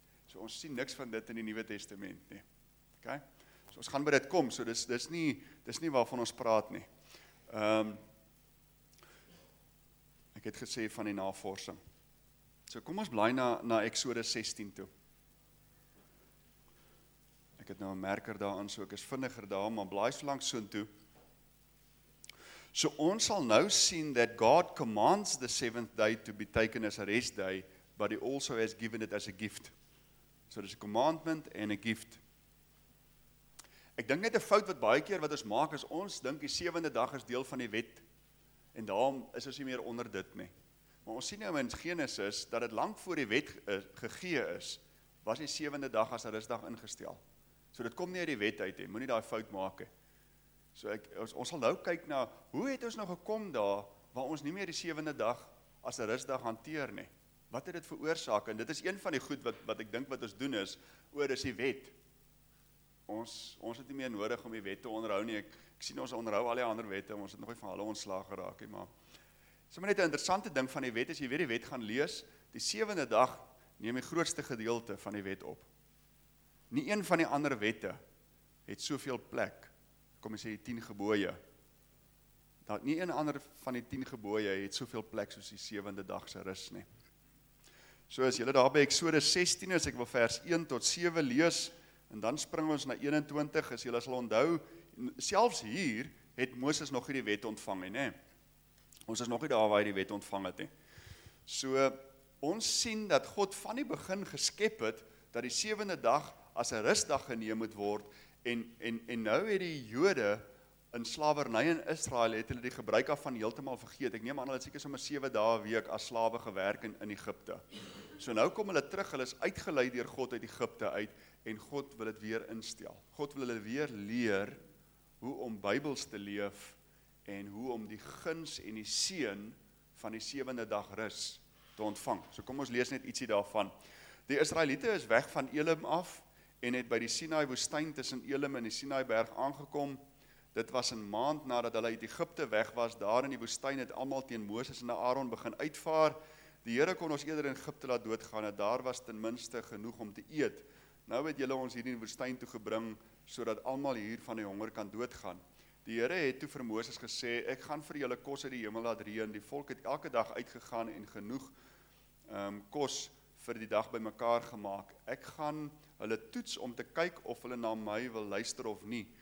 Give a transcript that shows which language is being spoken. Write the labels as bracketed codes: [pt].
[af] So ons sien niks van dit in die Nuwe Testament nie. Okay? So ons gaan by dit kom, so dis nie waarvan ons praat nie. Ek het gesê van die navorsing. So kom ons blaai na Exodus 16 toe. Ek het nou 'n merker daarin, so ek is vinniger daar, maar blaai so lank soontoe. So ons sal nou sien [en] that God commands the seventh day to be taken as a rest day, but he also has given it as a gift. So there's a commandment and a gift. [af] Ek dink net 'n fout wat baie keer wat ons maak is ons dink die sewende dag is deel van die wet en daarom is ons nie meer onder dit nie. Maar ons sien nou in Genesis dat het lang voor die wet gegee is, was die sewende dag as 'n rusdag ingestel. So dit kom nie uit die wet uit, moenie daai fout maak nie. So ons sal nou kyk na, hoe het ons nou gekom daar, waar ons nie meer die sewende dag as 'n rusdag hanteer nie. Wat het dit veroorsaak? En dit is een van die goed wat ek dink wat ons doen is, dis die wet. Ons het nie meer nodig om die wet te onderhou nie. Ek sien ons onderhou al die ander wette, ons het nog nie van hulle ontslaag geraak nie. Maar het is net 'n interessante ding van die wet, as jy weer die wet gaan lees, die sewende dag neem die grootste gedeelte van die wet op. Nie een van die ander wette het soveel plek. Kom ons sê die 10 gebooie, dat nie een ander van die 10 gebooie het soveel plek soos die 7de dag se rus nie. So as julle daar by Exodus 16 is, ek wil vers 1 tot 7 lees, en dan spring ons na 21, as julle sal onthou, selfs hier het Moses nog nie die wet ontvang nie. Ons is nog nie daar waar hy die wet ontvang het nie. So ons sien dat God van die begin geskep het, dat die 7de dag as 'n rusdag geneem moet word, En nou het die jode in slavernij in Israel, het hulle die gebruik af van heeltemal vergeet. Ek neem aan, hulle het seker sommer 7 dae week as slawe gewerk in Egypte. So nou kom hulle terug, hulle is uitgelei deur God uit Egypte uit, en God wil het weer instel. God wil hulle weer leer hoe om Bybels te leef, en hoe om die guns en die seën van die 7de dag rus te ontvang. So kom ons lees net ietsie daarvan. Die Israeliete is weg van Elim af, en het by die Sinai woestijn tussen Elim en die Sinai berg aangekom. Dit was een maand nadat hulle uit Egypte weg was, daar in die woestijn het allemaal teen Moses en Aaron begin uitvaar. Die Here kon ons eerder in Egypte laat doodgaan, en daar was ten minste genoeg om te eet. Nou het julle ons hier in die woestijn toe gebring, sodat allemaal hier van die honger kan doodgaan. Die Here het toe vir Moses gesê, ek gaan vir julle kos uit die hemel laat reën. Die volk het elke dag uitgegaan en genoeg kos vir die dag by mekaar gemaak. Ek gaan hulle toets om te kyk of hulle na my wil luister of nie.